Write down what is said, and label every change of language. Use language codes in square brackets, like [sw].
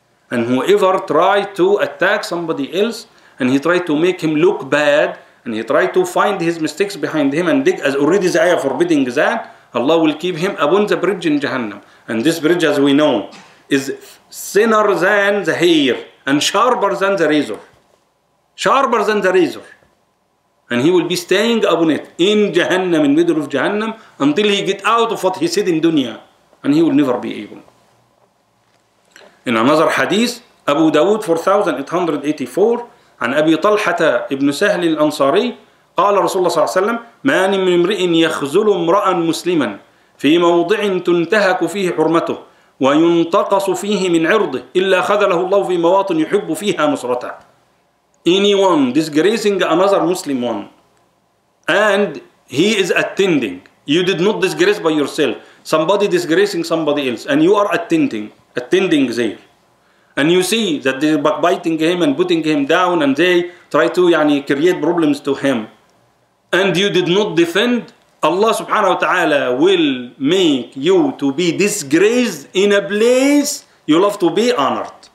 [en] And whoever tried to attack somebody else and he tried to make him look bad, and he tried to find his mistakes behind him and dig, as already the ayah forbidding that, Allah will keep him upon the bridge in Jahannam. And this bridge, as we know, is thinner than the hair and sharper than the razor. Sharper than the razor. And he will be staying upon it in Jahannam, in the middle of Jahannam, until he get out of what he said in dunya. And he will never be able. In another hadith, Abu Dawood 4884, [ar] عن أبي طلحة ابن سهل الأنصاري قال رسول الله صلى الله عليه وسلم ما أن من امرئ يخزل امرأ مسلما في موضع تنتهك فيه حرمته وينتقص فيه من عرضه إلا خذله الله في مواطن يحب فيها نصرته. [en] Anyone disgracing another Muslim one and he is attending, you did not disgrace by yourself, somebody disgracing somebody else and you are attending there, and you see that they're backbiting him and putting him down and they try to create problems to him, and you did not defend, Allah subhanahu wa ta'ala will make you to be disgraced in a place you love to be honored.